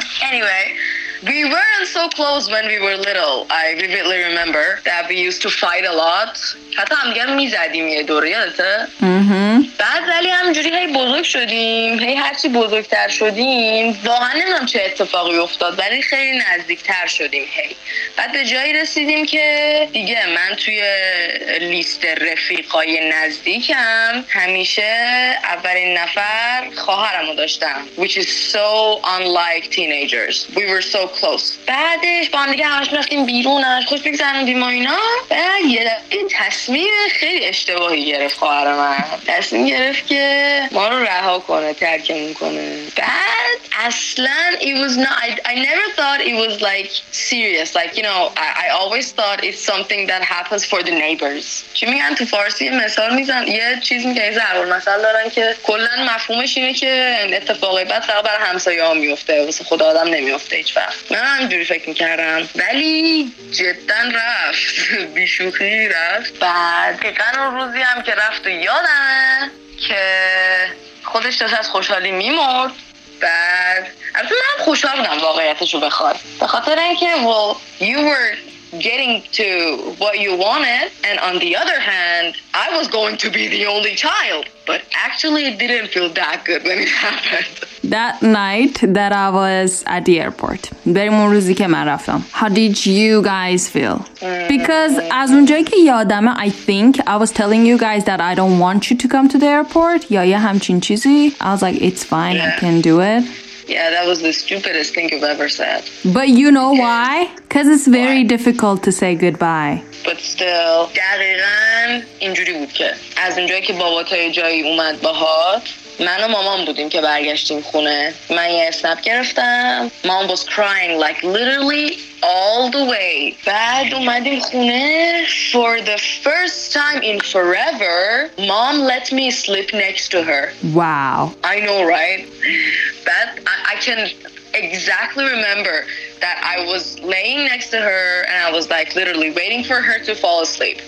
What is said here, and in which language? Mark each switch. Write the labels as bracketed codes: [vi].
[en] Anyway, we weren't so close when we were little. I vividly remember that we used to fight a lot. [fa] حتی هم دیگه میزدیم یه دوره، یادته؟ بعد ولی همجوری هی بزرگ شدیم، هی هرچی بزرگتر شدیم واقعا نمیدونم چه اتفاقی افتاد، ولی خیلی نزدیکتر شدیم هی. بعد به جایی رسیدیم که دیگه من توی لیست رفیقای نزدیکم همیشه اولین نفر خواهرمو داشتم، [en] which is so unlike teenagers. We were so close. [fa] بعدش با هم دیگه همش میرفتیم بیرون، همش خوش میگذروندیم و اینا. بعد یه این تصمیم خیلی اشتباهی گرفت خواهر من، تصمیم گرفت که ما رو رها کنه، ترکمون کنه. بعد [en] Aslan, it was not, I never thought it was like serious. Like, you know, I always thought it's something that happens for the neighbors. [fa] چی میگن تو فارسی مثال میزن یه چیز میگه یه ضرب المثل دارن که کلن مفهومش اینه که اتفاقی بد فقط بر همسایه ها میفته واسه خود آدم نمیفته هیچ وقت. من همجوری فکر میکردم ولی جدن رفت بیشوخی رفت. بعد دقیقا اون روزی هم که رفت و یادمه که خودش داشت از خوشحالی میمرد. بعد البته من هم خوشحال بودم واقعیتشو بخواد به خاطر اینکه [en] well you were getting to what you wanted and on the other hand I was going to be the only child but actually it didn't feel that good when it happened. That night that I was at the airport, [fa] بریم اون روزی که من رفتم. [en] How did you guys feel? Because [fa] از اونجایی که یادمه, [en] I think I was telling you guys that I don't want you to come to the airport. [fa] یا یه همچین چیزی. [en] I was like, it's fine, yeah. I can do it. Yeah, that was the stupidest thing you've ever said. But you know why? Because it's very difficult to say goodbye. But still, [fa] دقیقاً اینجوری بود که از اونجایی که بابا تا یه جایی اومد باهات, من و مامان بودیم که برگشتیم خونه. من یه اسنپ گرفتم. [en] Mom was crying like literally all the way. [fa] بعد اومدیم خونه. [en] For the first time in forever, Mom let me sleep next to her. Wow. I know, right? But I can exactly remember that I was laying next to her and I was like literally waiting for her to fall asleep.